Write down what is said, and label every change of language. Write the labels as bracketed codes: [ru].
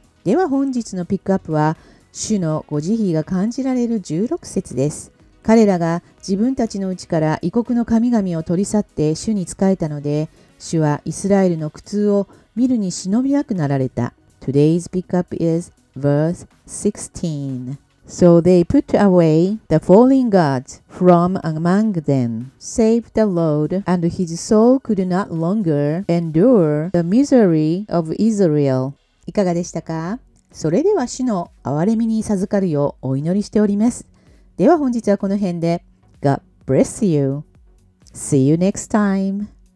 [ja] では本日のピックアップは、主のご慈悲が感じられる16節です。彼らが自分たちのうちから異国の神々を取り去って主に仕えたので、主はイスラエルの苦痛を見るに忍びなくなられた。 [en] Today's pickup is verse 16. So they put away the fallen gods from among them, save the Lord, and his soul could not longer endure the misery of Israel. [ja] いかがでしたか？それでは主の憐れみに授かるようお祈りしております。では本日はこの辺で [en] God bless you. See you next time.